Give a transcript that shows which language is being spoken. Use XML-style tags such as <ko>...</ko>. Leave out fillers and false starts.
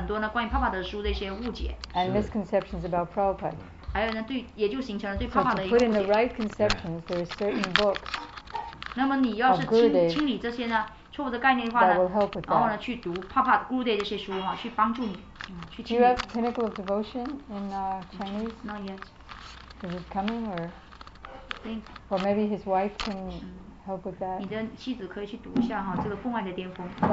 <zh>但是呢，与此同时呢，你又混杂有呢，听了很多呢关于帕帕德书的一些误解。</zh> <en>And misconceptions about Prabhupada.</en> <zh>还有呢，对，也就形成了对帕帕的一个误解。</zh> <en>So to put in the right conceptions, there are certain books.</en> <zh>那么你要是清理这些呢错误的概念的话呢， 然后呢去读帕帕Gurudev这些书哈，去帮助你。</zh> <en>Do you have Pinnacle of Devotion in Chinese? Not yet. Is it coming or? Think. Or maybe his wife can help with that.</en> <zh>你的妻子可以去读一下哈，这个《凤凰的巅峰》。</zh>